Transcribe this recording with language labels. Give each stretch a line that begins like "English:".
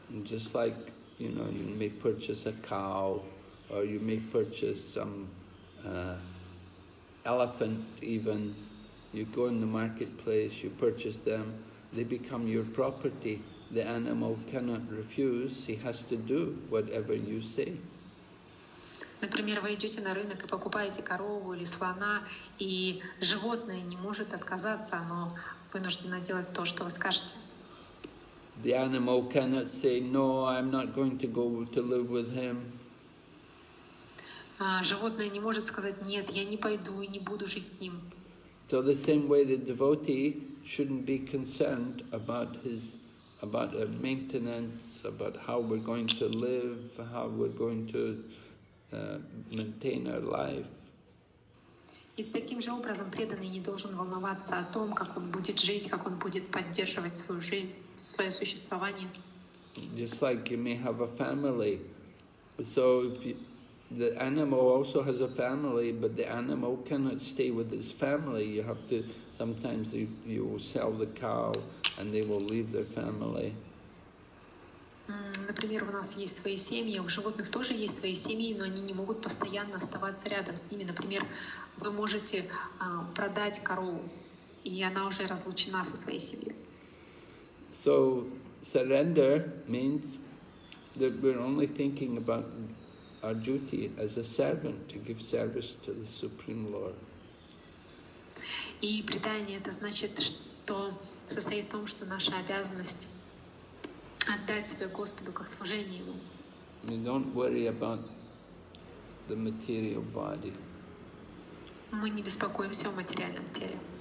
English: Just like, you know, you may purchase a cow, or you may purchase some elephant even. You go in the marketplace, you purchase them, they become your property. The animal cannot refuse, he has to do whatever you say.
Russian: Например, вы идете на рынок и покупаете корову или слона, и животное не может отказаться, оно вынуждено делать то, что вы скажете.
English: The animal cannot say, no, I'm not going to go to live with him.
Russian: Животное не может сказать, нет, я не пойду и не буду жить с ним.
English: So the same way the devotee shouldn't be concerned about his, about the maintenance, about how we're going to live, how we're going to maintain our life.
Russian: И таким же образом преданный не должен волноваться о том, как он будет жить, как он будет поддерживать свою жизнь, свое существование.
English: Just like you may have a family, so if you, the animal also has a family, but the animal cannot stay with its family. You have to sometimes you will sell the cow, and they will leave their family.
Russian: Например, у нас есть свои семьи, у животных тоже есть свои семьи, но они не могут постоянно оставаться рядом с ними. Например, вы можете продать корову, и она уже разлучена со своей семьей.
English: So surrender means that we're only thinking about our duty as a servant to give service to the Supreme Lord.
Russian: И предание это значит, что состоит в том, что наша обязанность отдать себя Господу как служение Ему.
English: We don't worry about the material body.
Russian: Мы не беспокоимся о материальном теле.